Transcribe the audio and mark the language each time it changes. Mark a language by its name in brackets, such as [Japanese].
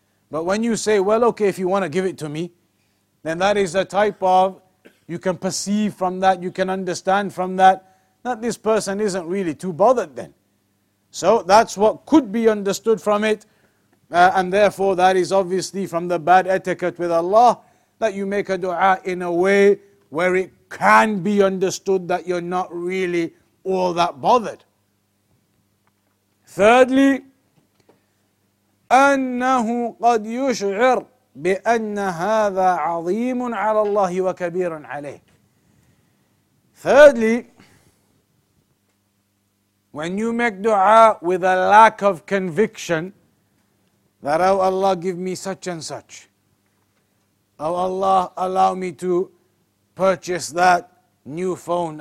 [English] But when you say, well, okay, if you want to give it to me, then that is a type of, you can perceive from that, you can understand from that, that this person isn't really too bothered then. So that's what could be understood from it. And therefore, that is obviously from the bad etiquette with Allah, that you make a dua in a way where it can be understood that you're not really all that bothered. Thirdly, [Arabic] أنه قد يشعر بأن هذا عظيم على الله وكبير عليه. [English] Thirdly, when you make dua with a lack of conviction, that, oh Allah, give me such and such. Oh Allah, allow me to purchase that new phone.